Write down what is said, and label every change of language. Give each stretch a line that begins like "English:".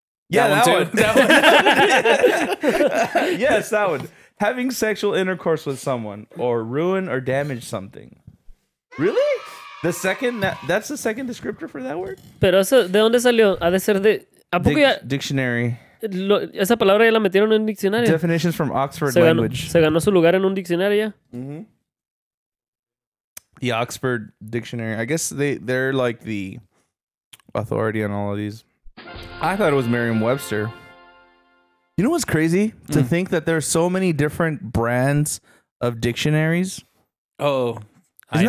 English: Yeah, that one. Yes, that one. Having sexual intercourse with someone or ruin or damage something. Really? The second that's the second descriptor for that word?
Spanish: Pero eso, ¿de dónde salió? Ha de ser de ¿a poco ya?
English: Dictionary.
Spanish: Esa palabra ya la metieron en un diccionario.
English: Definitions from Oxford Language.
Spanish: Se ganó su lugar en un diccionario ya.
English: The Oxford Dictionary. I guess they're like the authority on all of these. I thought it was Merriam-Webster. You know what's crazy? To think that there are so many different brands of dictionaries. Oh. Isn't